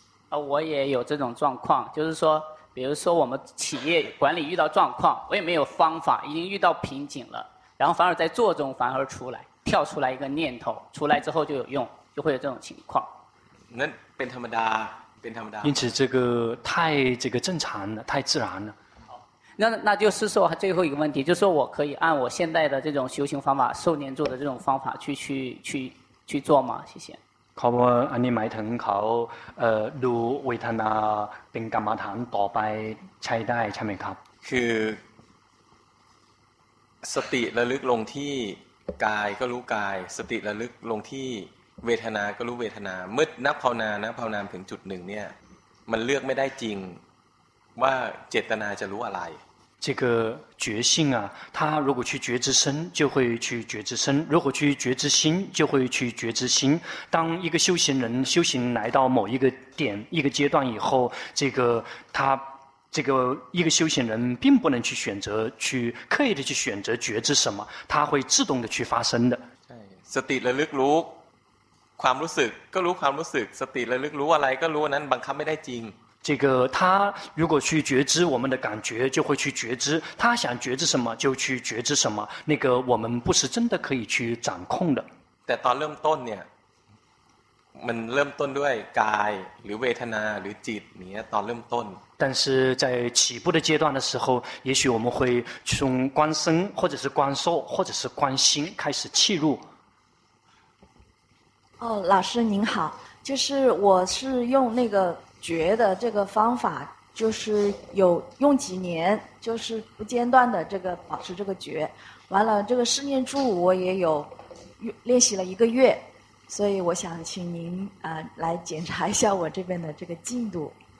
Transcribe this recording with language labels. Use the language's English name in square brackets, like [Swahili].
[Chinese] 我也有这种状况，就是说比如说我们企业管理遇到状况，我也没有方法，已经遇到瓶颈了，然后反而在坐中反而出来跳出来一个念头，出来之后就有用，就会有这种情况。那变他们的，变他们的。因此，这个太这个正常了，太自然了。好，那就是说最后一个问题，就是说我可以按我现在的这种修行方法，受念住的这种方法去做吗？谢谢。 [Thai] ขอบคุณอันนี้หมายถึงเขาดูเวทนาเป็นกรรมฐานต่อไปใช้ได้ใช่ไหมครับ？ คือสติระลึกลงที่กายก็รู้กายสติระลึกลงที่เวทนาก็รู้เวทนาเมื่อนับภาวนานะภาวนาถึงจุดหนึ่งเนี่ยมันเลือกไม่ได้จริงว่าเจตนาจะรู้อะไร [Chinese] 这个觉性啊他如果去觉知身就会去觉知身如果去觉知心就会去觉知心当一个修行人修行来到某一个点一个阶段以后这个他这个一个修行人并不能去选择去刻意的去选择觉知什么它会自动的去发生的 [Thai] สติระลึกรู้ความรู้สึกก็รู้ความรู้สึกสติระลึกรู้อะไรก็รู้นั้นบังคับไม่ได้จริง [Chinese] 这个他如果去觉知我们的感觉就会去觉知他想觉知什么就去觉知什么那个我们不是真的可以去掌控的 [Thai] แต่ตอนเริ่มต้นเนี่ยมันเริ่มต้นด้วยกายหรือเวทนาหรือจิตเนี่ยตอนเริ่มต้น [Chinese] 但是在起步的阶段的时候也许我们会从观身或者是观受或者是观心开始契入哦，老师您好就是我是用那个觉的这个方法就是有用几年就是不间断的这个保持这个觉完了这个试念住我也有练习了一个月所以我想请您来检查一下我这边的这个进度